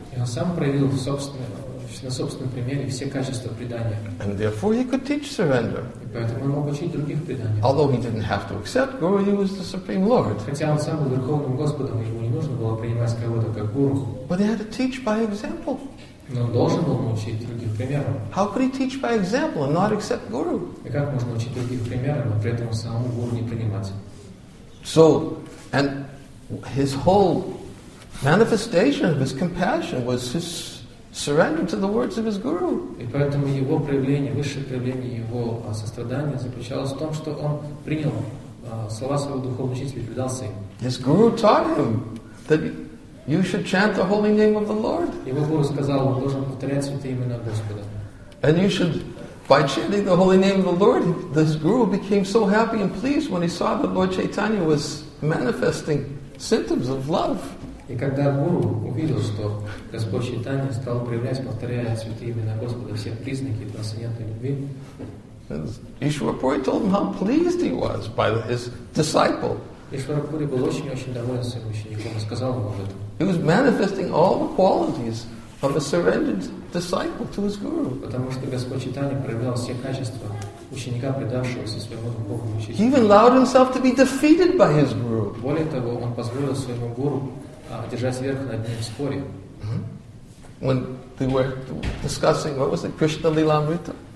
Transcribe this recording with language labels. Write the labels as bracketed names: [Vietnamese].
[Russian] И он сам проявил собственные, на собственном примере все качества предания. [English] And therefore he could teach surrender. [Russian] И поэтому он мог учить других преданиям. [English] Although he didn't have to accept Guru, he was the Supreme Lord. [Russian] Хотя он сам был Верховным Господом, ему не нужно было принимать кого-то как гуру. [English] But he had to teach by example. [Russian] Но он должен был научить других примером. [English] How could he teach by example and not accept Guru? [Russian] И как можно учить других примером, а при этом самому гуру не принимать? [English] So, and his whole manifestation of his compassion was his surrender to the words of his guru. [Russian] И поэтому его проявление, высшее проявление его сострадания заключалось в том, что он принял слова своего духовного учителя и предался им. [English] His guru taught him that you should chant the holy name of the Lord. [Russian] Его гуру сказал, он должен повторять святые имена Господа. [English] And you should, by chanting the holy name of the Lord, this guru became so happy and pleased when he saw that Lord Chaitanya was manifesting symptoms of love. [Russian] И когда гуру увидел, что Господь Чайтанья стал проявлять, повторяя святые имена Господа, все признаки трансцендентной любви, [English] Ишварапури told him how pleased he was by his disciple. [Russian] Ишварапури был очень-очень доволен своим учеником и сказал ему об этом. [English] He was manifesting all the qualities of a surrendered disciple to his guru. [Russian] Потому что Господь Чайтанья проявлял все качества ученика, предавшегося своему духовному учителю. [English] He even allowed himself to be defeated by his guru. [Russian] Более того, он позволил своему гуру держать верх над ним в споре. [English] When they were discussing, what was it, Krishna Lilamrita?